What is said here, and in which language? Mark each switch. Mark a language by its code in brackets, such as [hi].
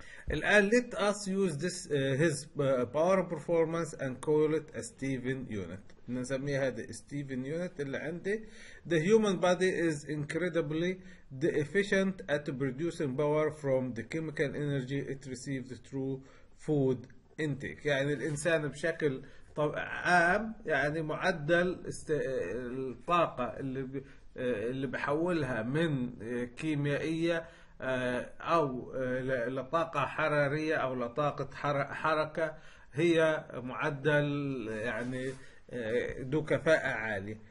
[ar] الآن [en] let us use this his power performance and call it a Stephen unit. [ar] نسميها هذا Stephen unit اللي عندي. [en] The human body is incredibly efficient at producing power from the chemical energy it receives through food intake. [ar] يعني الإنسان بشكل طب عام يعني معدل الطاقة اللي بحولها من كيميائية أو لطاقة حرارية أو لطاقة حركة، هي معدل يعني ذو كفاءة عالية.